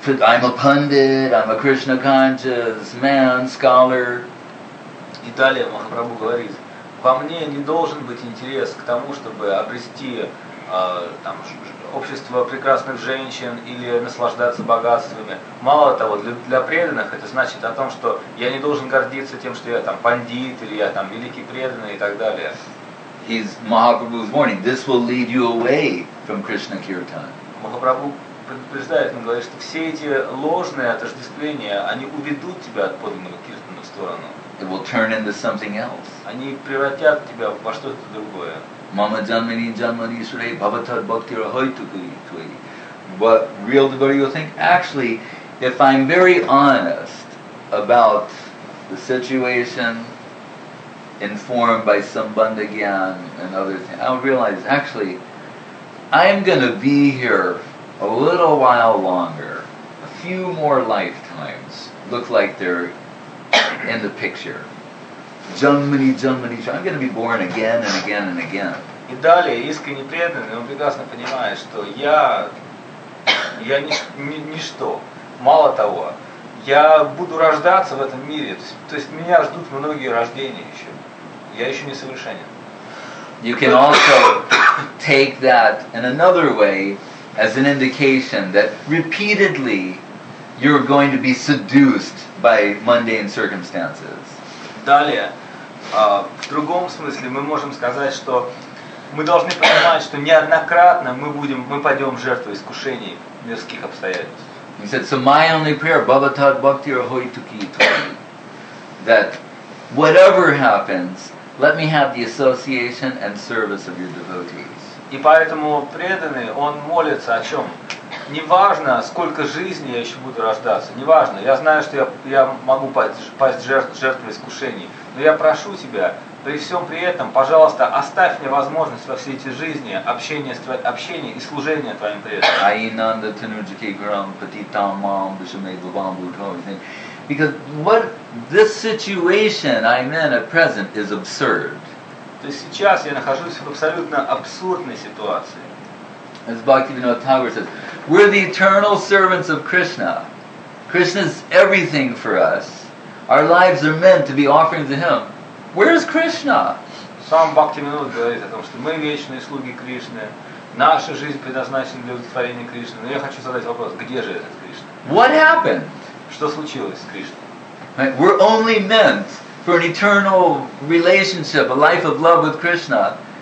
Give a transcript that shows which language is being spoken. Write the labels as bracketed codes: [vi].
[en] I'm a pundit, I'm a Krishna conscious man, scholar. [ru] И далее Махапрабху говорит, во мне не должен быть интерес к тому, чтобы обрести там, общество прекрасных женщин или наслаждаться богатствами. Мало того, для преданных это значит о том, что я не должен гордиться тем, что я там пандит или я там великий преданный и так далее. [en] He's Mahaprabhu's warning. This will lead you away from Krishna Kirtan. [ru] Махапрабху предупреждает, он говорит, что все эти ложные отождествления, они уведут тебя от подлинного киртана в сторону. [en] It will turn into something else. [ru] Они превратят тебя во что-то другое. [sa] Мама джанмани джанмани шрей бхаватад бхактира хойтукуи твои. [en] What real devotee will think? Actually, if I'm very honest about the situation informed by sambandhagyan and other things, I'll realize, actually, I'm going to be here a little while longer, a few more lifetimes, look like they're in the picture. [sa] Janmani, janmani, [en] I'm going to be born again and again and again. [ru] И далее, искренне преданный, он прекрасно понимает, что я ничто. Мало того, я буду рождаться в этом мире. То есть меня ждут многие рождения еще. Я еще не совершенен. [en] You can also take that in another way as an indication that repeatedly you're going to be seduced by mundane circumstances. [ru] Далее, в другом смысле мы можем сказать, что мы должны понимать, что неоднократно мы пойдем жертвой искушений мирских обстоятельств. [en] He said, so my only prayer, [sa] bhavatad bhakti rahoi tuki tuki, [en] that whatever happens, let me have the association and service of your devotees. [ru] И поэтому преданный, он молится о чем? Неважно, сколько жизней я еще буду рождаться, неважно. Я знаю, что я могу пасть жертвой искушений. Но я прошу тебя, при всем при этом, пожалуйста, оставь мне возможность во все эти жизни общения и служения твоим преданным. [sa] Айнанда тануджике грам патитам мам бешамей бабам бутхам. [en] Because what this situation I'm in at present is absurd. [ru] То есть сейчас я нахожусь в абсолютно абсурдной ситуации. [en] As Bhaktivinoda Thakur says, we're the eternal servants of Krishna. Krishna's everything for us. Our lives are meant to be offerings to Him. Where is Krishna? [ru] Сам Бхактивинода говорит о том, что мы вечные слуги Кришны. Наша жизнь предназначена для удовлетворения Кришны. Но я хочу задать вопрос, где же этот Кришна? [en] What happened? [ru] Что случилось с Кришной? [en] Right? We're only meant for an eternal relationship, a life of love with Krishna.